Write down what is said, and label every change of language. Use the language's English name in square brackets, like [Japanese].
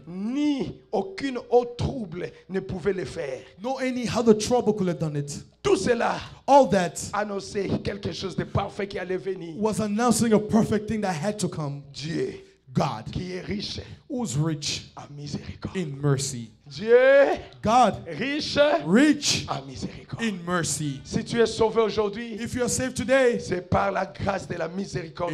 [French] Ni aucune autre trouble ne pouvait le faire. [English] No any other trouble could have done it. [French] Tout cela. [English] All that. [French] Annonçait quelque chose de parfait qui allait venir. [English] Was announcing a perfect thing that had to come. [French] Dieu. [English] God, [French] qui est riche, [English] who's rich [French] en miséricorde. [English] In mercy. [French] Dieu, [English] God, [French] riche, [English] rich [French] en miséricorde. [English] In mercy. [French] Si tu es sauvé aujourd'hui, [English] if you are saved today, [French] c'est par la grâce de la miséricorde.